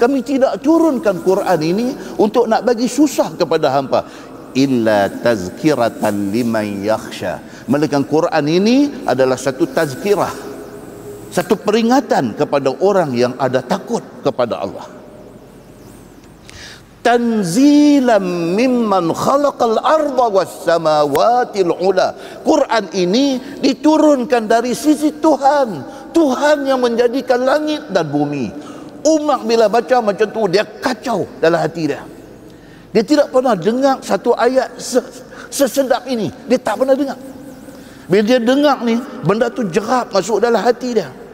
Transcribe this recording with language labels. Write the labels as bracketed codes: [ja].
[ms] Kami tidak turunkan Quran ini untuk nak bagi susah kepada hampa. [ar] Illa tazkiratan liman yakhsha. [ms] Melainkan Quran ini adalah satu tazkirah, satu peringatan kepada orang yang ada takut kepada Allah. [ar] Tanzilan mimman khalaqal arda was samawatil ula. [ms] Quran ini diturunkan dari sisi Tuhan. Tuhan yang menjadikan langit dan bumi. Umar bila baca macam tu, dia kacau dalam hati dia. Dia tidak pernah dengar satu ayat sesedap ini. Dia tak pernah dengar. Bila dia dengar ni, benda tu jerap masuk dalam hati dia.